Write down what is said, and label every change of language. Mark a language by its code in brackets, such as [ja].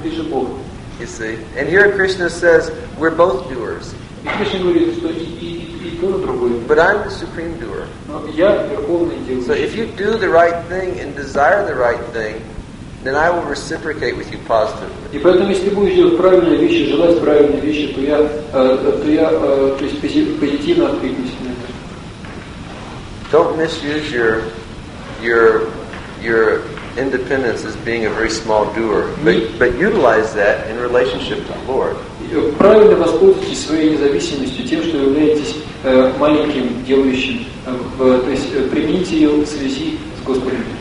[en] You see? And here Krishna says, we're both doers. But I'm the supreme doer. So if you do the right thing and desire the right thing, then I will reciprocate with you positively. [ru] И поэтому, если будешь делать правильные вещи, желать правильные вещи, то я, то есть позитивно откликнусь на это. [en] Don't misuse your independence as being a very small doer, but utilize that in relationship to the Lord. [ru] Правильно воспользуйтесь своей независимостью тем, что являетесь маленьким делающим, то есть примените ее в связи с Господом.